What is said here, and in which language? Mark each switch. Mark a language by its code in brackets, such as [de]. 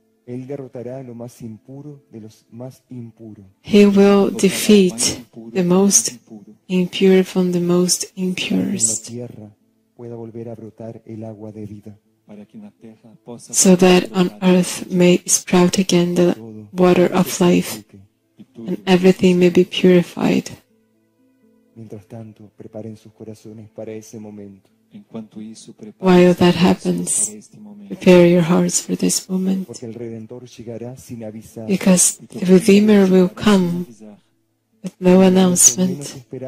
[es] Él derrotará lo más impuro de los más impuros. [en] He will defeat the most impure from the most impurest. [es] Para que en la tierra pueda volver a brotar el agua de vida. [en] So that on earth may sprout again the water of life, and everything may be purified. [es] Mientras tanto, preparen sus corazones para ese momento. [en] While that happens, prepare your hearts for this moment. Because the Redeemer will come with no announcement.